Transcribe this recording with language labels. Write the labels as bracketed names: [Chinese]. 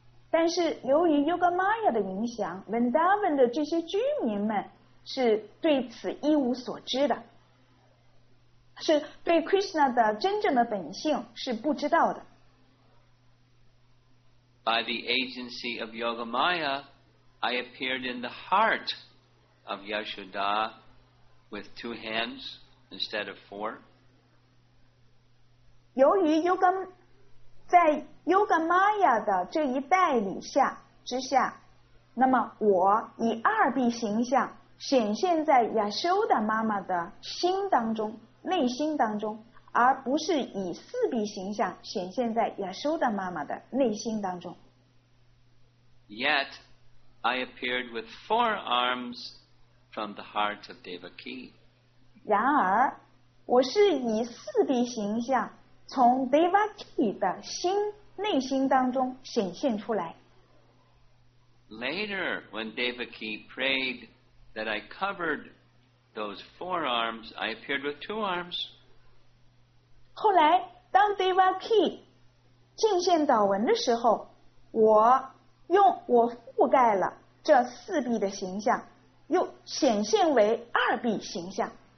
[Chinese] 但是由于 Yoga Maya 的影响， Vrindavan 的这些居民们是对此一无所知的，是对 Krishna 的真正的本性是不知道的。 [English] By the agency of Yoga Maya, I appeared in the heart of Yashoda with two hands instead of four. [Chinese] 由于 Yoga 在 Yoga Maya 的这一代理下之下，那么我以二臂形象显现在亚修达妈妈的心当中，内心当中，而不是以四臂形象显现在亚修达妈妈的内心当中。 [English] Yet, I appeared with four arms from the heart of Devaki. [Chinese] 然而，我是以四臂形象从 Devaki 的心内心当中显现出来。 [English] Later, when Devaki prayed that I covered those four arms, I appeared with two arms. [Chinese] 后来当 Devaki 敬献祷文的时候，我覆盖了这四臂的形象，又显现为二臂形象。